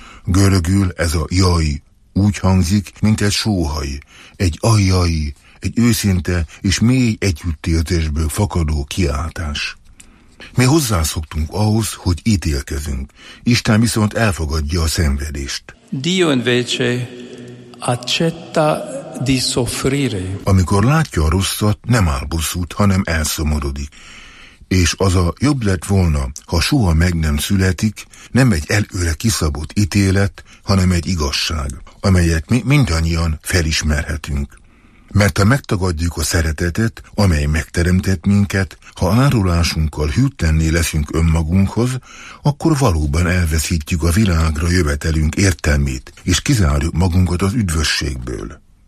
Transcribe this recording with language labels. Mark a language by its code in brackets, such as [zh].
[hu] Görögül ez a jaj úgy hangzik, mint egy sóhaj, egy ajjai, egy őszinte és mély együttérzésből fakadó kiáltás. Mi hozzászoktunk ahhoz, hogy ítélkezünk. Isten viszont elfogadja a szenvedést. [it] Dio invece accetta di soffrire. [hu] Amikor látja a rosszat, nem áll bosszút, hanem elszomorodik. És az a jobb lett volna, ha soha meg nem születik, nem egy előre kiszabott ítélet, hanem egy igazság, amelyet mi mindannyian felismerhetünk. Mert ha megtagadjuk a szeretetet, amely megteremtett minket, ha árulásunkkal hűtlenné leszünk önmagunkhoz, akkor valóban elveszítjük a világra jövetelünk értelmét, és kizárjuk magunkat az üdvösségből.